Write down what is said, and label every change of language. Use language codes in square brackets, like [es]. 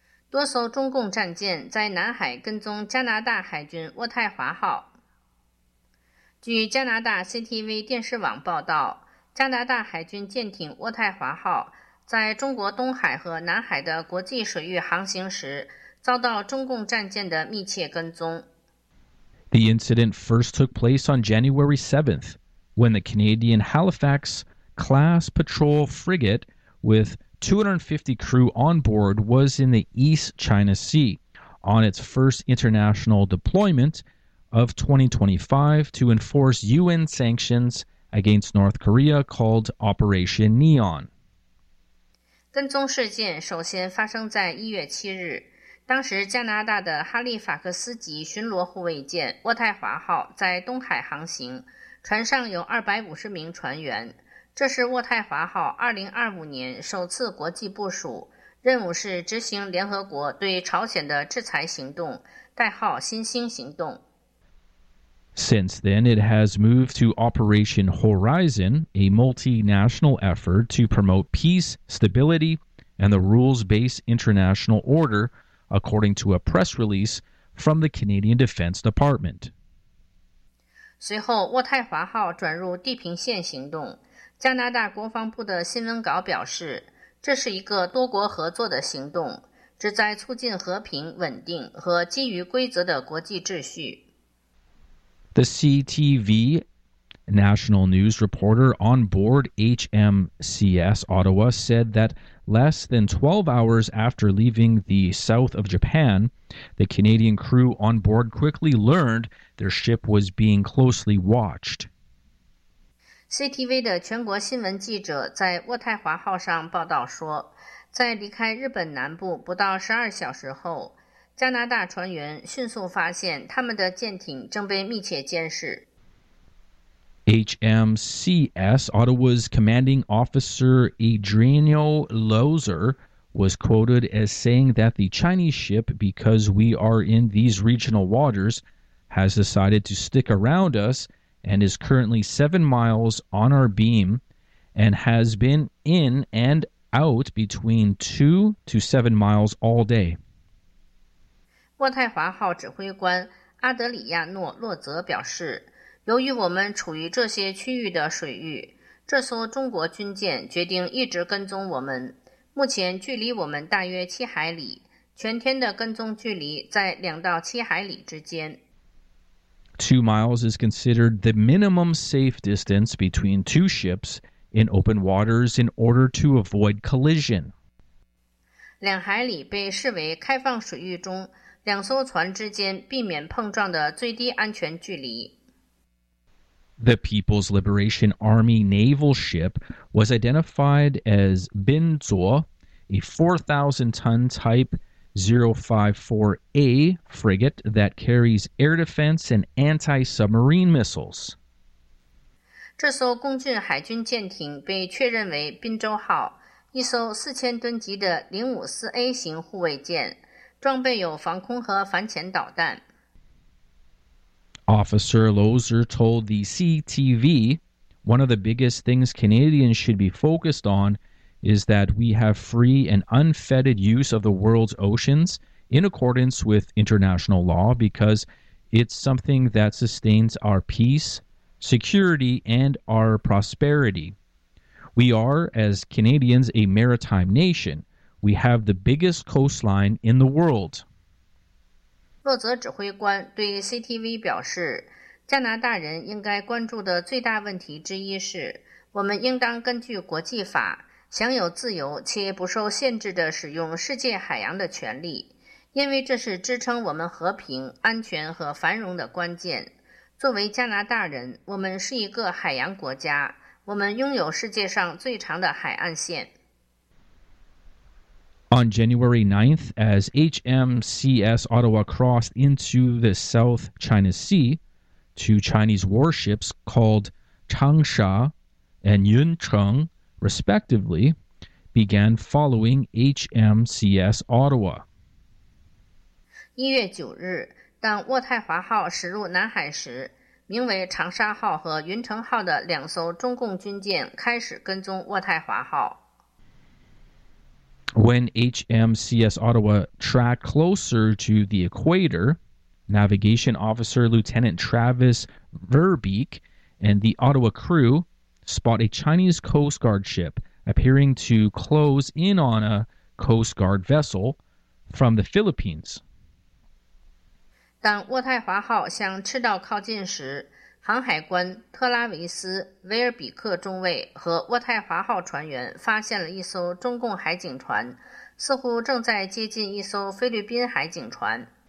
[zh] 多艘中共战舰在南海跟踪加拿大海军渥太华号。据加拿大 CTV 电视网报道，加拿大海军舰艇渥太华号在中国东海和南海的国际水域航行时，遭到中共战舰的密切跟踪。 [en] The incident first took place on January 7th, when the Canadian Halifax class patrol frigate with 250 crew on board was in the East China Sea on its first international deployment. Of 2025 to enforce UN sanctions against North Korea called Operation Neon. [zh] 跟踪事件首先发生在1月7日，当时加拿大的哈利法克斯级巡逻护卫舰渥太华号在东海航行，船上有250名船员。这是渥太华号2025年首次国际部署，任务是执行联合国对朝鲜的制裁行动，代号新兴行动。 [en] Since then, it has moved to Operation Horizon, a multinational effort to promote peace, stability, and the rules-based international order, according to a press release from the Canadian Defense Department. [zh] 随后，渥太华号转入地平线行动。加拿大国防部的新闻稿表示，这是一个多国合作的行动，旨在促进和平、稳定和基于规则的国际秩序。 [en] The CTV national news reporter on board HMCS Ottawa said that less than 12 hours after leaving the south of Japan, the Canadian crew on board quickly learned their ship was being closely watched. [zh] CTV 的全国新闻记者在渥太华号上报道说，在离开日本南部不到12小时后，加拿大船员迅速发现他们的舰艇正被密切监视。 [en] HMCS Ottawa's commanding officer Adriano Lozer was quoted as saying that the Chinese ship, because we are in these regional waters, has decided to stick around us and is currently 7 miles on our beam and has been in and out between 2 to 7 miles all day. [zh] 渥太华号指挥官阿德里亚诺·洛泽表示，由于我们处于这些区域的水域，这艘中国军舰决定一直跟踪我们。目前距离我们大约七海里，全天的跟踪距离在两到七海里之间。 [en] 2 miles is considered the minimum safe distance between two ships in open waters in order to avoid collision. [zh] 两海里被视为开放水域中两艘船之间避免碰撞的最低安全距离。 [en] The People's Liberation Army naval ship was identified as Binzuo, a 4,000-ton type 054A frigate that carries air defense and anti-submarine missiles. [zh] 这艘共军海军舰艇被确认为宾州号，一艘4000吨级的 054A 型护卫舰。装备有防空和反潜导弹。 [en] Officer Lozer told the CTV, one of the biggest things Canadians should be focused on is that we have free and unfettered use of the world's oceans in accordance with international law because it's something that sustains our peace, security, and our prosperity. We are, as Canadians, a maritime nation. We have the biggest coastline in the world. [zh] 洛泽指挥官对 CTV 表示，加拿大人应该关注的最大问题之一是，我们应当根据国际法，享有自由且不受限制地使用世界海洋的权利，因为这是支撑我们和平、安全和繁荣的关键。作为加拿大人，我们是一个海洋国家，我们拥有世界上最长的海岸线。 [en] On January 9th, as HMCS Ottawa crossed into the South China Sea, two Chinese warships called Changsha and Yuncheng, respectively, began following HMCS Ottawa. [zh] 1月9日，当渥太华号驶入南海时，名为长沙号和云城号的两艘中共军舰开始跟踪渥太华号。 [en] When HMCS Ottawa tracked closer to the equator, Navigation Officer Lieutenant Travis Verbeek and the Ottawa crew spot a Chinese Coast Guard ship appearing to close in on a Coast Guard vessel from the Philippines. [zh] 当渥太华号向赤道靠近时，航海官特拉维斯·威尔比克中尉和渥太华号船员发现了一艘中共海警船，似乎正在接近一艘菲律宾海警船。